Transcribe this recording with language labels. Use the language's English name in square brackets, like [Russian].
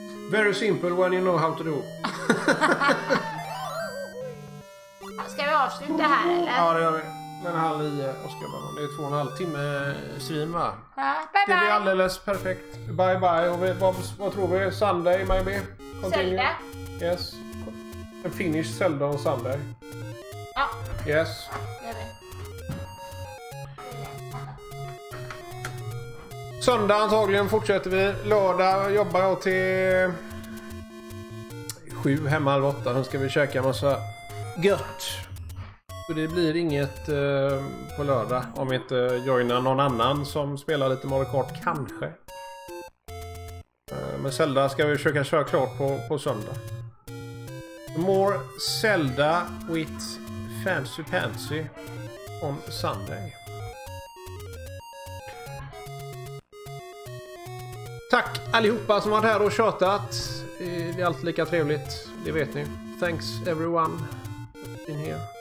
[English] Very simple when you know how to do. [Swedish] Ska vi avsluta här eller? Ja, det gör vi. Den här lia, Oskar bara. Det är 2,5 timme stream va? Ja, bye bye. Det blir alldeles perfekt. Bye bye. Och vad tror vi? [English] Sunday maybe? Continue. Zelda. Yes. En finish Zelda on Sunday. [Swedish] Ja. [English] Yes. [Swedish] Söndag antagligen fortsätter vi. Lördag jobbar jag till 7, hemma 7:30. Sen ska vi käka massa gött. Så det blir inget på lördag. Om vi inte joinar någon annan som spelar lite Mario Kart, kanske. Men Zelda ska vi försöka köra klart på söndag. [English] More Zelda with Fancy Pansy on Sunday. [Swedish] Tack allihopa som varit här och tjatat. Det är alltid lika trevligt, det vet ni. [English] Thanks everyone in here.